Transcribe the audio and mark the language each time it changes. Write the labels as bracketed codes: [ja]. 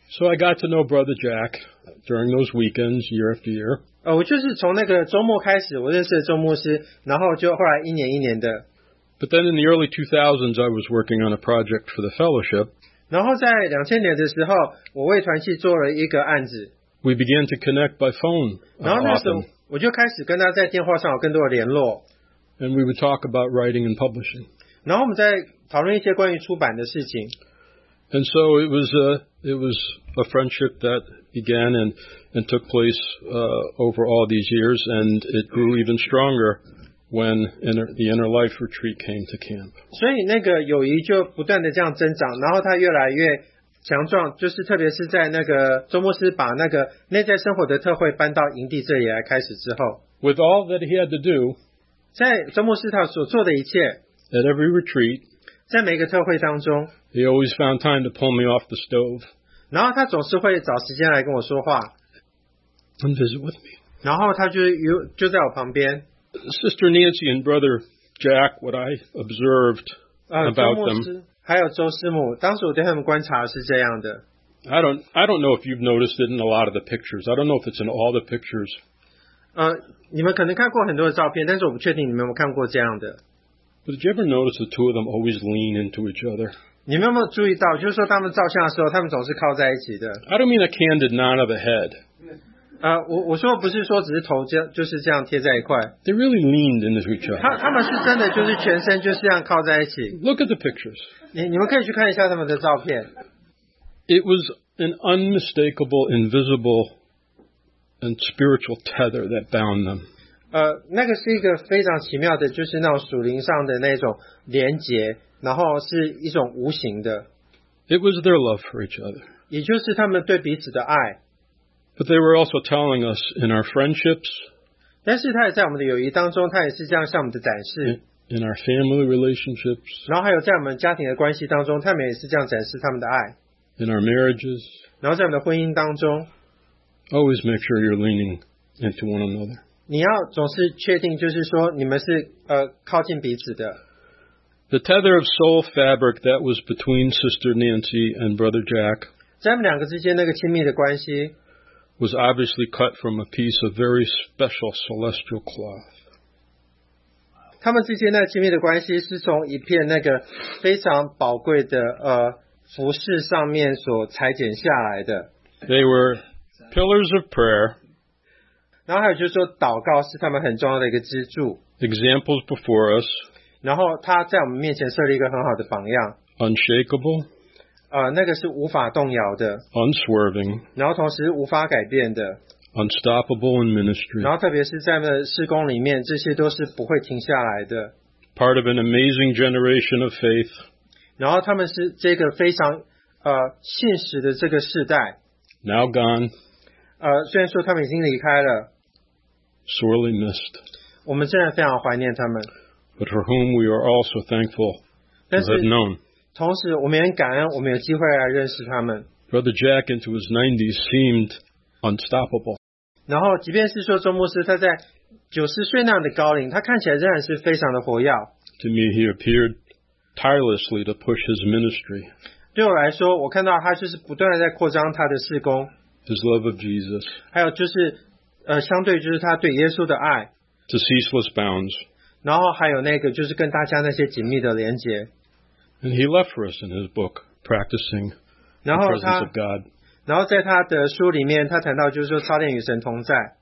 [en] So I got to know Brother Jack during those weekends, year after year. [zh] 我就是从那个周末开始，我认识了周牧师，然后就后来一年一年的。 [en] But then in the early 2000s, I was working on a project for the fellowship. [zh] 然后在2000年的时候，我为团契做了一个案子。 [en] We began to connect by phone. [zh] 然后那时候我就开始跟他在电话上有更多的联络。 [en] And we would talk about writing and publishing. [zh] 然后我们在讨论一些关于出版的事情。 [en] And so it was a friendship that began and took place over all these years, and it grew even stronger when the Inner Life Retreat came to camp. [zh] 所以那个友谊就不断的这样增长，然后它越来越强壮，就是特别是在那个周牧师把那个内在生活的特会搬到营地这里来开始之后。 [en] With all that he had to do, [zh] 在周牧师他所做的一切 [en] at every retreat, [zh] 在每个特会当中。 [en] He always found time to pull me off the stove. [zh] 然后他总是会找时间来跟我说话。 [en] And visit with me. [zh] 然后他就在我旁边。 [en] Sister Nancy and Brother Jack, what I observed about them. [zh] 还有周师母，当时我对他们观察是这样的。 [en] I don't know if you've noticed it in a lot of the pictures. I don't know if it's in all the pictures. [zh] 你们可能看过很多的照片，但是我不确定你们有没有看过这样的。 [en] But did you ever notice the two of them always lean into each other? [zh] 你们有没有注意到，就是说他们照相的时候，他们总是靠在一起的。 [en] I don't mean a candid nod of a head. [zh] 我说不是说只是头就是这样贴在一块。 [en] They really leaned into each other. [zh] 他们是真的就是全身就是这样靠在一起。 [en] Look at the pictures. [zh] 你们可以去看一下他们的照片。 [en] It was an unmistakable, invisible, and spiritual tether that bound them. [zh] 那个是一个非常奇妙的，就是那种属灵上的那种连结，然后是一种无形的。 [en] It was their love for each other. [zh] 也就是他们对彼此的爱。 [en] But they were also telling us in our friendships. [zh] 但是他也在我们的友谊当中，他也是这样向我们的展示。 [en] In our family relationships. [zh] 然后还有在我们家庭的关系当中，他们也是这样展示他们的爱。 [en] In our marriages. [zh] 然后在我们的婚姻当中。 [en] Always make sure you're leaning into one another. [zh] 你要总是确定，就是说你们是靠近彼此的。 [en] The tether of soul fabric that was between Sister Nancy and Brother Jack was obviously cut from a piece of very special celestial cloth. [zh] 他们之间那个亲密的关系是从一片那个非常宝贵的服饰上面所裁剪下来的。 [en] They were pillars of prayer. [zh] 然后还有就是说祷告是他们很重要的一个支柱。 [en] Examples before us. [zh] 然后他在我们面前设立一个很好的榜样。 [en] Unshakable. [zh] 那个是无法动摇的 [en] unswerving， [zh] 然后同时无法改变的 [en] unstoppable in ministry， [zh] 然后特别是在事工里面，这些都是不会停下来的 [en] part of an amazing generation of faith， [zh] 然后他们是这个非常信实的这个世代 [en] now gone， [zh] 虽然说他们已经离开了 [en] sorely missed， [zh] 我们真的非常怀念他们 [en] but for whom we are also thankful to have known。 [zh] 同时我们也感恩我们有机会来认识他们。 [en] Brother Jack into his 90s seemed unstoppable. [zh] 然后即便是说周牧师他在90岁那样的高龄，他看起来仍然是非常的活跃。 [en] To me he appeared tirelessly to push his ministry. [zh] 对我来说，我看到他就是不断地在扩张他的事工。 [en] His love of Jesus. [zh] 还有就是相对就是他对耶稣的爱。 [en] To ceaseless bounds. [zh] 然后还有那个就是跟大家那些紧密的连结。 [en] And he left for us in his book, Practicing the Presence of God. [zh] 然后在他的书里面，他谈到就是说操练与神同在。